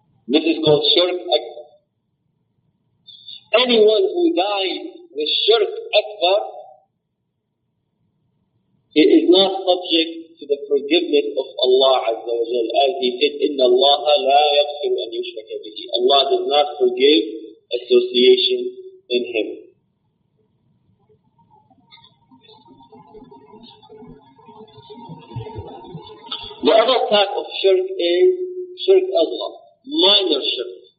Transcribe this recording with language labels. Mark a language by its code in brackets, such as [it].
[en] This is called shirk akbar. Anyone who dies with shirk akbar, he is not subject to the forgiveness of Allah Azza wa Jal. As he said, [ar] إِنَّ اللَّهَ لَا يَغْفِرُ أَنْ يُشْرَكَ بِهِ. [en] Allah does not forgive association in him. The other type of shirk is shirk Allah, minor shirk.